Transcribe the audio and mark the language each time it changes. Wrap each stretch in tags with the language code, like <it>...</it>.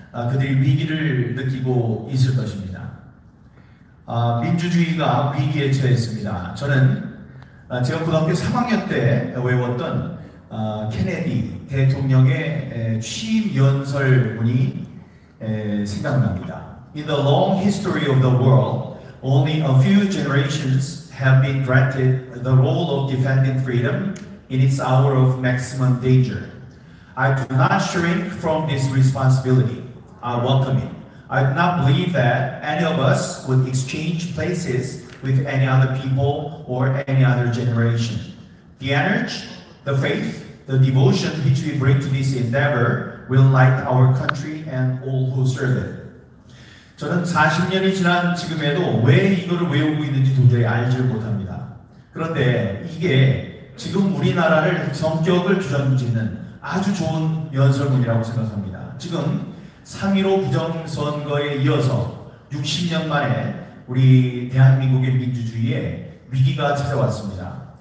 <ko>그들이 위기를 느끼고 있을 것입니다. 민주주의가 위기에 처했습니다. 저는 제가 고등학교 3학년 때 외웠던 케네디 대통령의 취임 연설문이 생각납니다.</ko> <en>In the long history of the world, only a few generations have been granted the role of defending freedom in its hour of maximum danger. I do not shrink from this responsibility. I welcome it. I do not believe that any of us would exchange places with any other people or any other generation. The energy, the faith, the devotion which we bring to this endeavor will light our country and all who serve it.</en> <ko>저는 40년이 지난 지금에도 왜 이거를 외우고 있는지 도저히 알지를 못합니다. 그런데 이게 지금 우리나라를 성격을 규정짓는 아주 좋은 연설문이라고 생각합니다. 지금 3.15 부정선거에 이어서 60년 만에 우리 대한민국의 민주주의에 위기가 찾아왔습니다.</ko>